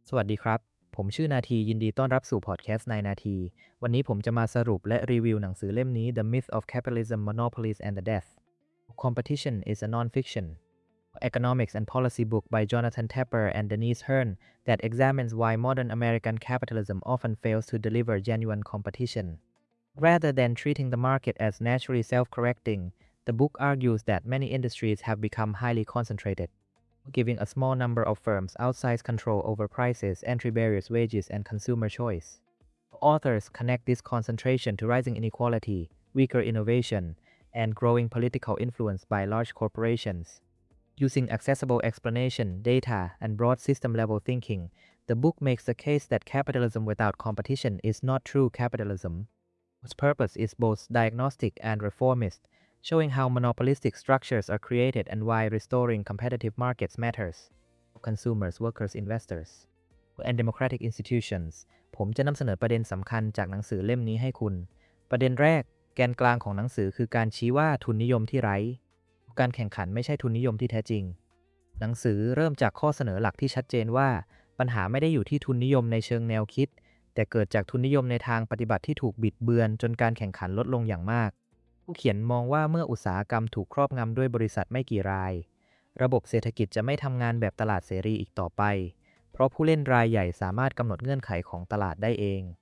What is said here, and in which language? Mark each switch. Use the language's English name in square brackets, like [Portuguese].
[Thai] สวัสดีครับผมชื่อนาทียินดีต้อนรับสู่พอดแคสต์ในนาทีวันนี้ผมจะมาสรุปและรีวิวหนังสือเล่มนี้ [English] The Myth of Capitalism, Monopolies and the Death Competition is a Non-Fiction Economics and Policy Book by Jonathan Tepper and Denise Hearn that examines why modern American capitalism often fails to deliver genuine competition. Rather than treating the market as naturally self-correcting, the book argues that many industries have become highly concentrated. Giving a small number of firms outsized control over prices, entry barriers, wages, and consumer choice. Authors connect this concentration to rising inequality, weaker innovation, and growing political influence by large corporations. Using accessible explanation, data, and broad system-level thinking, the book makes the case that capitalism without competition is not true capitalism. Its purpose is both diagnostic and reformist,showing how monopolistic structures are created and why restoring competitive markets matters for consumers, workers, investors, and democratic institutions. [Thai] ผมจะนำเสนอประเด็นสำคัญจากหนังสือเล่มนี้ให้คุณ ประเด็นแรกแกนกลางของหนังสือคือการชี้ว่าทุนนิยมที่ไร้การแข่งขันไม่ใช่ทุนนิยมที่แท้จริง หนังสือเริ่มจากข้อเสนอหลักที่ชัดเจนว่าปัญหาไม่ได้อยู่ที่ทุนนิยมในเชิงแนวคิดแต่เกิดจากทุนนิยมในทางปฏิบัติที่ถูกบิดเบือนจนการแข่งขันลดลงอย่างมากผู้เขียนมองว่าเมื่ออุตสาหกรรมถูกครอบงำด้วยบริษัทไม่กี่รายระบบเศรษฐกิจจะไม่ทำงานแบบตลาดเสรีอีกต่อไปเพราะผู้เล่นรายใหญ่สามารถกำหนดเงื่อนไขของตลาดได้เอง